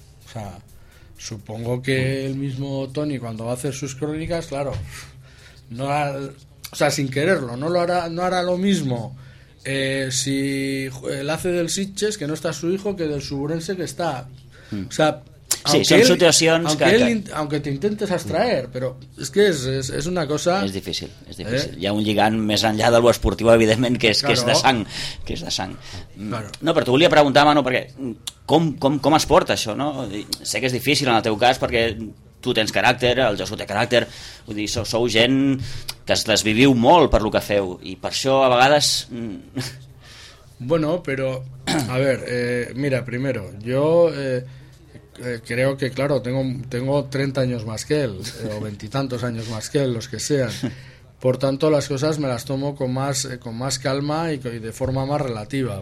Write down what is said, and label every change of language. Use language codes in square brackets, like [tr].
[es] O sea, supongo que el mismo Tony, cuando va a hacer sus crónicas, claro, no hará, o sea, sin quererlo, no hará lo mismo si él hace del Sitges, que no está su hijo, que del Suburense, que está. O sea, sí, son situaciones que... aunque te intentes abstraer, pero es que es una cosa... Es difícil, es difícil. [ca] Hi ha un lligant més enllà de lo esportivo, evidentment, que és, claro, que és de sang. Que és de sang. [es] Claro. [ca] No, però t'ho volia preguntar, Manu, perquè com es porta això, no? Sé que és difícil en el teu cas, perquè tu tens caràcter, el Josu té caràcter, vull dir, sou gent que es desviviu molt per lo que feu, i per això a vegades... [es] Bueno, pero, a ver, mira, primero, yo creo que, claro, tengo 30 años más que él, o 20 y tantos años más que él, los que sean. Por tanto, las cosas me las tomo con más calma y de forma más relativa.